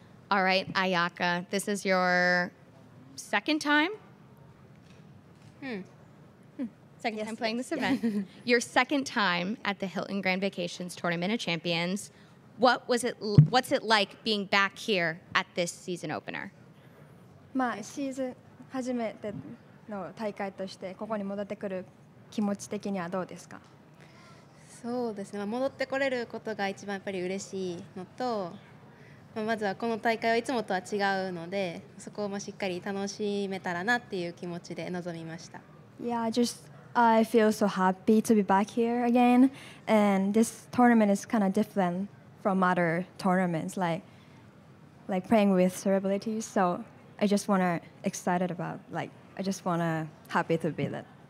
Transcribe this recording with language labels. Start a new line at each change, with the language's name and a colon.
English: All right, Ayaka, this is your second time? Second time playing this event. Your second time at the Hilton Grand Vacations Tournament of Champions. What was it? What's it like being back here at this season opener?
Japanese: まあシーズン初めての大会としてここに戻ってくる気持ち的にはどうですか? そうですね。戻ってこれることが一番やっぱり嬉しいのと、まずはこの大会はいつもとは違うので、そこをしっかり楽しめたらなっていう気持ちで臨みました。
English: Yeah, just I feel so happy to be back here again, and this tournament is kind of different from other tournaments, like playing with celebrities. So I just want to excited about, like, I just want to happy to be there.